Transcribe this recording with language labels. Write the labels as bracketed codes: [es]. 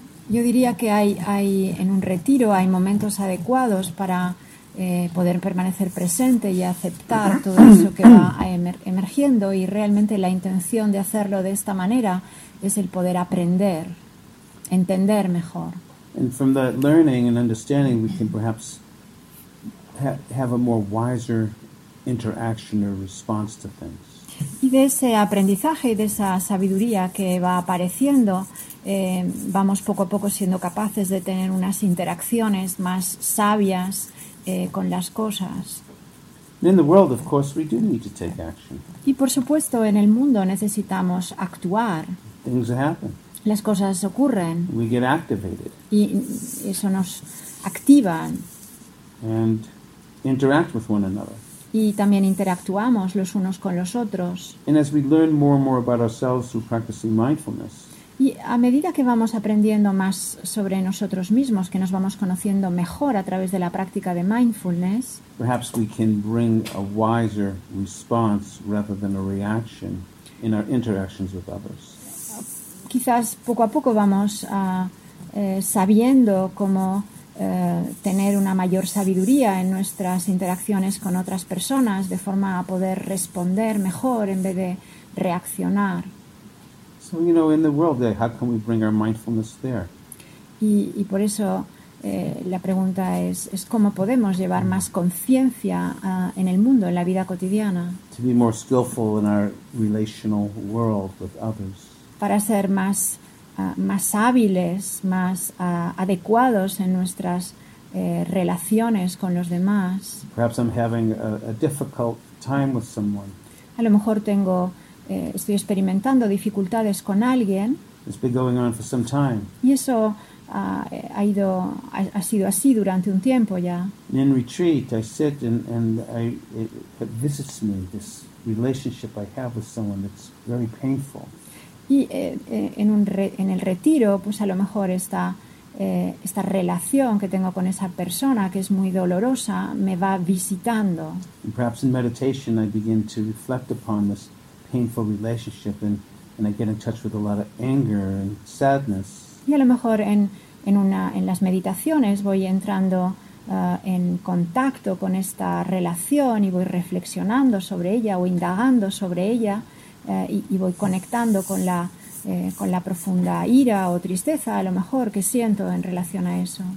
[es] Yo diría que hay en un retiro hay momentos adecuados para poder permanecer presente y aceptar todo eso que va emergiendo, y realmente la intención de hacerlo de esta manera es el poder aprender, entender mejor. [en] And from that learning and understanding, we can perhaps have a more wiser interaction or response to things. [es] Y de ese aprendizaje y de esa sabiduría que va apareciendo, vamos poco a poco siendo capaces de tener unas interacciones más sabias con las cosas. [en] In the world, of course, we do need to take action. [es] Y por supuesto, en el mundo necesitamos actuar. [en] Things happen. [es] Las cosas ocurren. [en] We get activated. [es] Y eso nos activa. [en] And interact with one another. [es] Y también interactuamos los unos con los otros. [en] And as we learn more and more about ourselves through practicing mindfulness. [es] Y a medida que vamos aprendiendo más sobre nosotros mismos, que nos vamos conociendo mejor a través de la práctica de mindfulness, [en] perhaps we can bring a wiser response rather than a reaction in our interactions with others. [es] Quizás poco a poco vamos sabiendo cómo tener una mayor sabiduría en nuestras interacciones con otras personas, de forma a poder responder mejor en vez de reaccionar. [en] So, in the world, how can we bring our mindfulness there? [es] Y por eso la pregunta es cómo podemos llevar más conciencia en el mundo, en la vida cotidiana. [en] To be more skillful in our relational world with others. [es] Para ser más hábiles, más adecuados en nuestras relaciones con los demás. [en] Perhaps I'm having a difficult time with someone. [es] A lo mejor tengo estoy experimentando dificultades con alguien. [en] It's been going on for some time. [es] Y eso ha sido así durante un tiempo ya. [en] In retreat, I sit and it visits me, this relationship I have with someone that's very painful. [es] Y en el retiro, pues a lo mejor esta relación que tengo con esa persona que es muy dolorosa me va visitando. [en] And perhaps in meditation, I begin to reflect upon this painful relationship and I get in touch with a lot of anger and sadness. [es] Y a lo mejor en las meditaciones voy entrando en contacto con esta relación y voy reflexionando sobre ella o indagando sobre ella y voy conectando con la profunda ira o tristeza a lo mejor que siento en relación a eso.